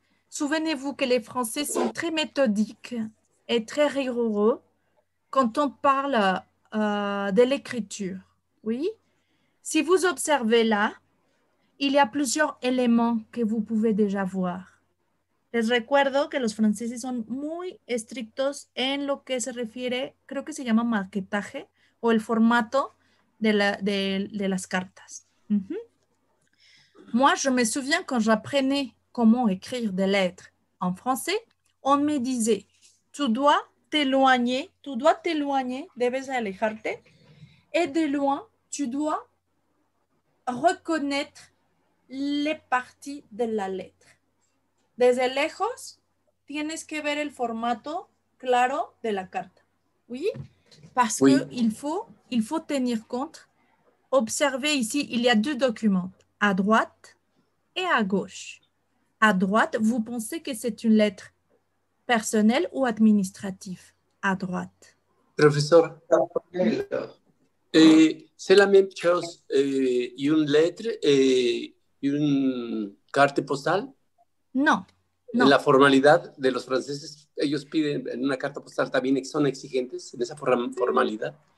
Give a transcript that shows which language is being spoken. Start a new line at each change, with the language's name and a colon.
French: Souvenez-vous que les Français sont très méthodiques et très rigoureux quand on parle de l'écriture. Oui? Si vous observez là, il y a plusieurs éléments que vous pouvez déjà voir.
Spanish: Les recuerdo que los franceses son muy estrictos en lo que se refiere, creo que se llama marquetaje, o el formato de las cartas. Mm-hmm.
French: Moi, je me souviens quand j'apprenais comment écrire des lettres en français, on me disait, tu dois t'éloigner,
Spanish: debes alejarte,
French: et de loin, tu dois reconnaître les parties de la lettre.
Spanish: Desde lejos, tienes que ver el formato claro de la carta.
French: Oui? Parce oui. qu'il faut tenir compte, observer ici, il y a deux documents, à droite et à gauche. À droite, vous pensez que c'est une lettre personnelle ou administrative? À droite. Professeur, c'est la même chose, une lettre et une carte postale? Non,
Spanish: La formalidad de los franceses, ellos piden en una carta postal también que son exigentes en esa formalidad.